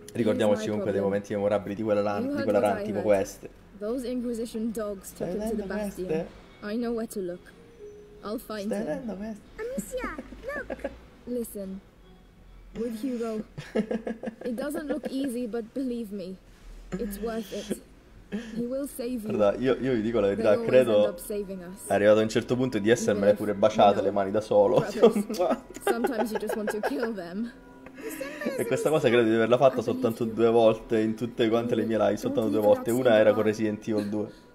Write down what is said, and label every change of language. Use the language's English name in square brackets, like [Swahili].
[Italian] Ricordiamoci comunque dei momenti memorabili di quella run, tipo queste. [English] Those Inquisition dogs took him to the bastion. I know where to look. I'll find him. Amicia, look. Listen, with Hugo, it doesn't look easy, but believe me, it's worth it. He will save you. [Italian] Guarda, io vi dico la verità, credo è arrivato a un certo punto di essermele pure baciate le mani da solo. [English] Sometimes you just want to kill them. [Italian] E questa cosa credo di averla fatta soltanto due volte in tutte quante le mie live, soltanto due volte. Una era con Resident Evil 2.